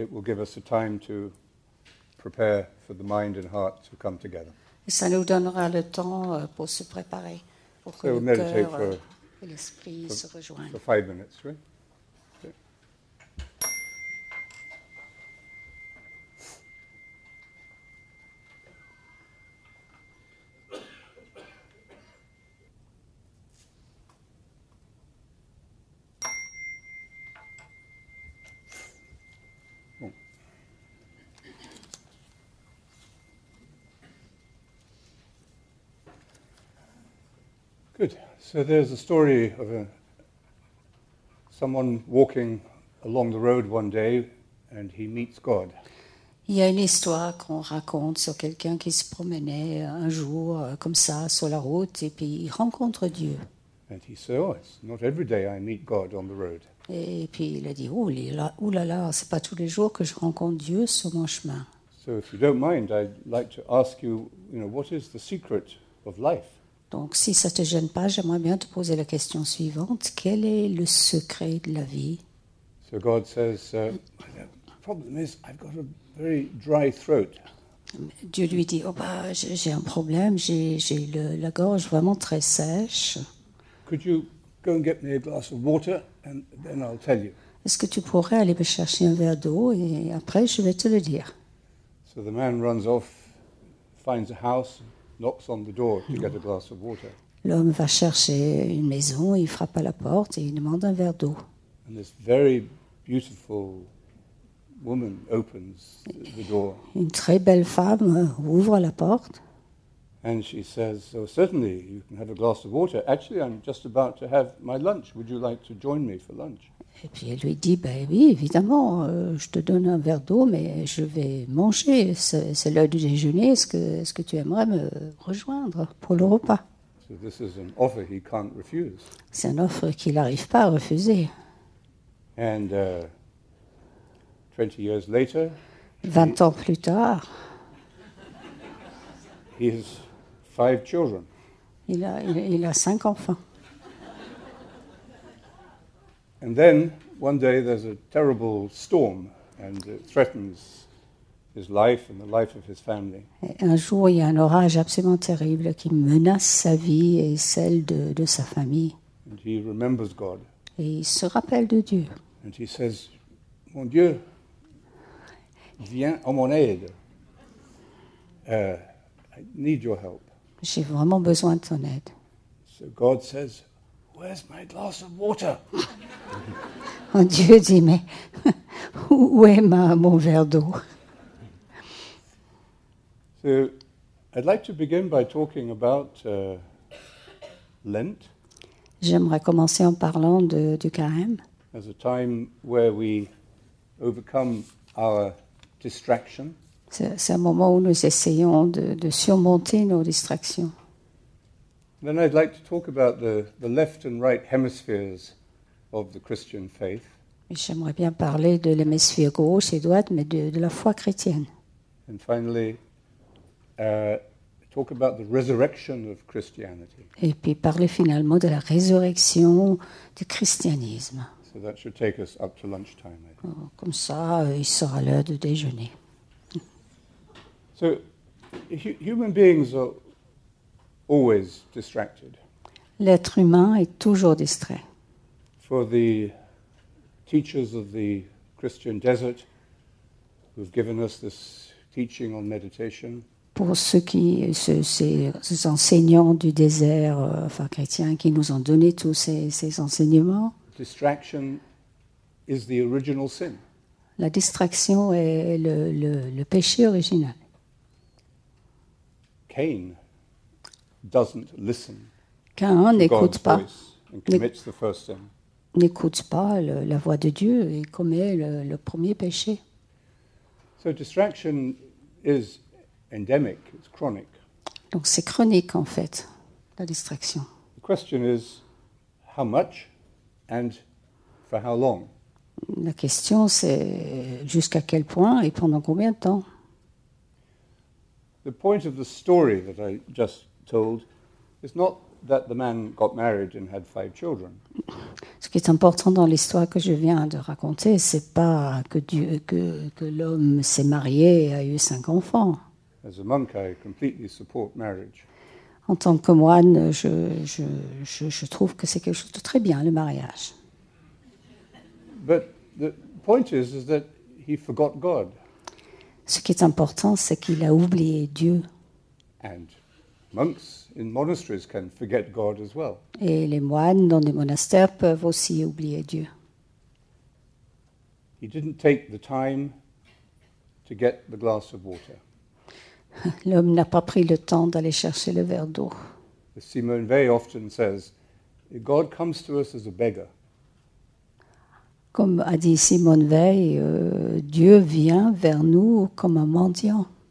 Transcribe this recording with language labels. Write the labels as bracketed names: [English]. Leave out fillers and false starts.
[English] It will give us the time to prepare for the mind and heart to come together. [French] Et ça nous donnera le temps pour se préparer, pour que le cœur et l'esprit se rejoignent. [English] For 5 minutes, right? Good. So there's a story of someone walking along the road one day and he meets God. [French] Il y a une histoire qu'on raconte sur quelqu'un qui se promenait un jour comme ça sur la route et puis il rencontre Dieu. [English] And he said, oh, it's not every day I meet God on the road. [French] Et puis il a dit, oh là là, c'est pas tous les jours que je rencontre Dieu sur mon chemin. [English] So if you don't mind, I'd like to ask you, you know, what is the secret of life? [French] Donc, si ça ne te gêne pas, j'aimerais bien te poser la question suivante. Quel est le secret de la vie? [English] So God says, the problem is I've got a very dry throat. [French] Dieu lui dit, oh bah, j'ai un problème, j'ai la gorge vraiment très sèche. [English] Could you go and get me a glass of water and then I'll tell you? [French] Est-ce que tu pourrais aller me chercher un verre d'eau et après je vais te le dire? [English] So the man runs off, finds a house. Knocks on the door to get a glass of water. [French] L'homme va chercher une maison, il frappe à la porte et il demande un verre d'eau. [English] And this very beautiful woman opens the door. [French] Une très belle femme ouvre la porte. [English] And she says, "So certainly you can have a glass of water. Actually, I'm just about to have my lunch. Would you like to join me for lunch?" [French] Et puis elle lui dit, "Ben oui, évidemment, je te donne un verre d'eau, mais je vais manger. C'est l'heure du déjeuner. Est-ce que tu aimerais me rejoindre pour le repas?" [English] So this is an offer he can't refuse. [French] C'est une offre qu'il n'arrive pas à refuser. [English] And 20 years later. [French] 20 ans plus tard. [English] He has 5 children. [French] Il a 5 enfants. [English] And then one day there's a terrible storm and it threatens his life and the life of his family. [French] Et un jour il y a un orage absolument terrible qui menace sa vie et celle de sa famille. [English] And he remembers God. [French] Et il se rappelle de Dieu. [English] And he says, [French] "Mon Dieu, viens à mon aide. [English] I need your help." [French] J'ai vraiment besoin de ton aide. [English] So God says, "Where's my glass of water?" [French] Dieu dit, mais où est mon verre d'eau? [English] So I'd like to begin by talking about Lent. [French] J'aimerais commencer en parlant du carême. [English] As a time where we overcome our distraction. [French] C'est un moment où nous essayons de surmonter nos distractions. [English] Then I'd like to talk about the left and right hemispheres of the Christian faith. [French] J'aimerais bien parler de l'hémisphère gauche et droite, mais de la foi chrétienne. [English] And finally, talk about the resurrection of Christianity. [French] Et puis parler finalement de la résurrection du christianisme. [English] So that should take us up to lunchtime, I think. Oh, [French] comme ça, il sera l'heure de déjeuner. [English] So, human beings are always distracted. [French] L'être humain est toujours distrait. [English] For the teachers of the Christian desert, who've given us this teaching on meditation. [French] Pour ces enseignants du désert, enfin chrétiens, qui nous ont donné tous ces enseignements. [English] Distraction is the original sin. [French] La distraction est le péché original. [English] Cain doesn't listen. [French] Cain n'écoute pas. [English] And commits the first sin. [French] N'écoute pas la voix de Dieu et commet le premier péché. [English] So distraction is endemic, it's chronic. [French] Donc c'est chronique en fait, la distraction. [English] The question is how much and for how long? [French] La question c'est jusqu'à quel point et pendant combien de temps? [English] The point of the story that I just told is not that the man got married and had five children. [French] Ce qui est important dans l'histoire que je viens de raconter, c'est pas que l'homme s'est marié et a eu cinq enfants. [English] As a monk, I completely support marriage. [French] En tant que moine, je trouve que c'est quelque chose de très bien, le mariage. [English] But the point is that he forgot God. [French] Ce qui est important, c'est qu'il a oublié Dieu. [English] And monks in monasteries can forget God as well. [French] Et les moines dans des monastères peuvent aussi oublier Dieu. [English] He didn't take the time to get the glass of water. [French] L'homme n'a pas pris le temps d'aller chercher le verre d'eau. [English] As Simone Weil often says, God comes to us as a beggar. [French] Comme a dit Simone Weil, Dieu vient vers nous comme un mendiant.